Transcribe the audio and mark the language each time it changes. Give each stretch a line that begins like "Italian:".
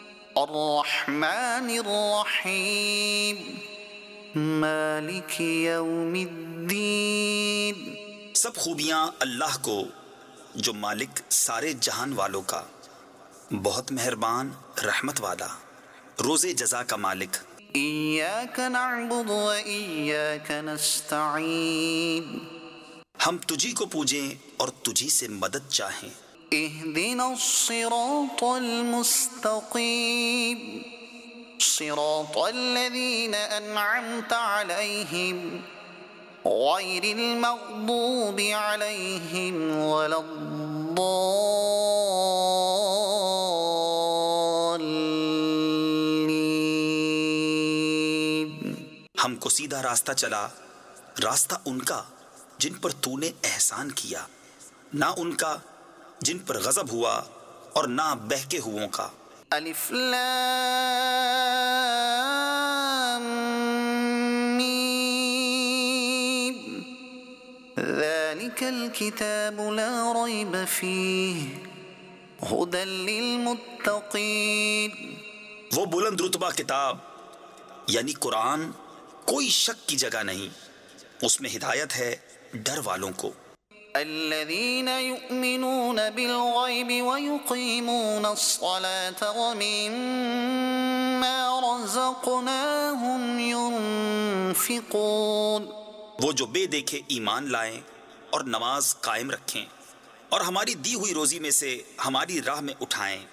Arabic: الرحمن الرحيم مالك يوم الدين
Urdu: سب خوبیاں اللہ کو جو مالک سارے جہان والوں کا بہت مہربان رحمت والا روز جزا کا مالک
Arabic: إياك نعبد وإياك نستعين
Urdu: ہم تجھی کو پوجیں اور تجھی سے مدد چاہیں
Arabic: اهدنا الصراط المستقيم صراط الذين أنعمت عليهم غير المغضوب عليهم ولا الضالين
Urdu: ہم کو سیدھا راستہ چلا راستہ ان کا جن پر تو نے احسان کیا نہ ان کا جن پر غضب ہوا اور نہ بہکے ہوئوں کا
Arabic: الف لام میم ذلک الکتاب لا ریب فیہ ہدى للمتقین
Urdu: وہ بلند رتبہ کتاب یعنی قرآن کوئی شک کی جگہ نہیں اس میں ہدایت ہے ڈر والوں کو
Arabic: الذين يؤمنون بالغيب ويقيمون الصلاة ومما رزقناهم ينفقون
Urdu: وہ جو بے دیکھے ایمان لائیں اور نماز قائم رکھیں اور ہماری دی ہوئی روزی میں سے ہماری راہ میں اٹھائیں